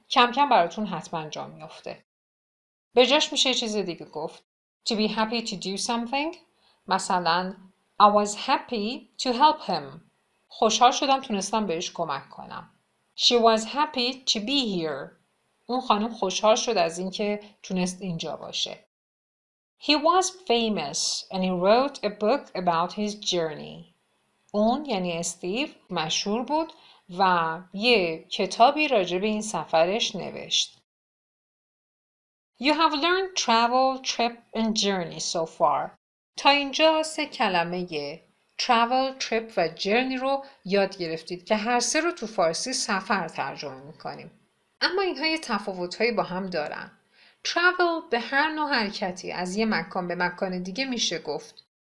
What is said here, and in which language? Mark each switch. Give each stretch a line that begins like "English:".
Persian: کم کم براتون حتما جا میفته. به جاش میشه چیز دیگه گفت.
English: To be happy, to do something. مثلا I was happy to help him.
Persian: خوشحال شدم تونستم بهش کمک کنم.
English: She was happy to be here.
Persian: اون خانم خوشحال شد از اینکه تونست اینجا باشه.
English: He was famous and he wrote a book about his journey.
Persian: اون یعنی استیو مشهور بود و یه کتابی راجع به این سفرش نوشت.
English: You have learned travel, trip and journey so far.
Persian: تا اینجا سه کلمه یه travel, trip و journey رو یاد گرفتید که هر سه رو تو فارسی سفر ترجمه میکنیم. اما اینها یه تفاوت‌هایی با هم دارن. travel به هر نوع حرکتی از یه مکان به مکان دیگه میشه گفت.